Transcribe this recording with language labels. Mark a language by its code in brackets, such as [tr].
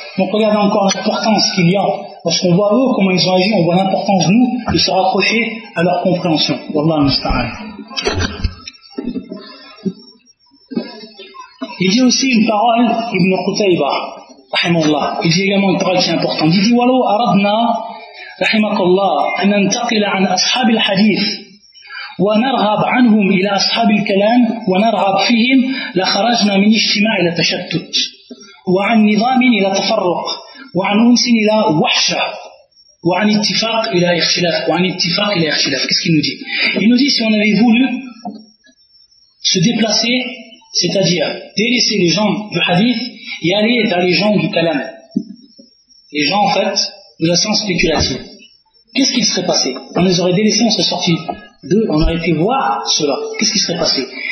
[fr] Donc regardez encore l'importance qu'il y a. Lorsqu'on voit eux, comment ils ont agi, on voit l'importance, nous, de se rapprocher à leur compréhension. [ar] Wallah al-musta'an. [fr] Il dit aussi une parole, Ibn Qutayba, rahimallah. Il dit également une parole qui est importante. [ar] Il dit, « Walou aradna, rahimakallah, an antaqila an ashab al-hadith » ونرغب عنهم إلى أصحاب الكلام ونرغب فيهم لخرجنا من اجتماع إلى تشتت وعن نظام إلى تفرق وعن أنس إلى وحشة وعن اتفاق إلى اختلاف وعن اتفاق إلى اختلاف. [fr] Qu'est-ce qu'il nous dit? Il nous dit si on avait voulu se déplacer, c'est-à-dire délaisser les gens du hadith et aller vers les gens du kalam. Les gens, en fait, de la science spéculative. Qu'est-ce qui serait passé? On les aurait délaissés, on serait sortis d'eux, on aurait pu voir cela. Qu'est-ce qui serait passé?